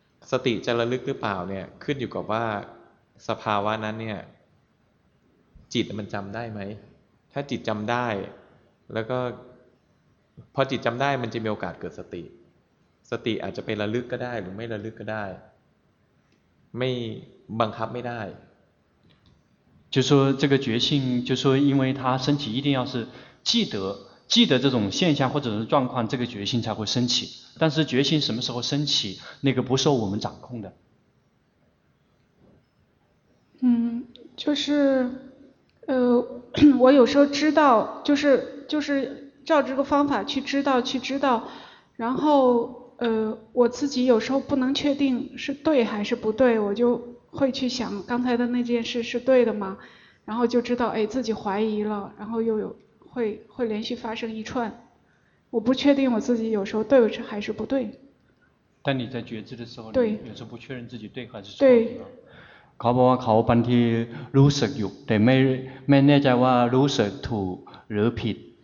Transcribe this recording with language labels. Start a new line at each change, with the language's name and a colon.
Thai: สติจะระลึกหรือเปล่าเนี่ยขึ้นอยู่กับว่าสภาวะนั้นเนี่ยจิตมันจำได้ไหมถ้าจิตจำได้แล้วก็พอจิตจำได้มันจะมีโอกาสเกิดสติสติอาจจะไประลึกก็ได้หรือไม่ระลึกก็ได้ไม่บังคับไม่ได้
Chinese: 就说这个觉性就说因为它升起一定要是记得记得这种现象或者是状况这个觉性才会升起但是觉性什么时候升起那个不受我们掌控的就是我有时候知道就是照这个方法去知道然后我自己有时候不能确定是对还是不对我就会去想刚才的那件事是对的吗然后就知道哎自己怀疑了然后又有会连续发生一串我不确定我自己有时候对还是不对但你在觉知的时候对有时候不确认自己对还是错对
Thai: เขาบอกว่าเขาบางทีรู้สึกอยู่แต่ไม่แน่ใจว่ารู้สึกถูกหรือผิด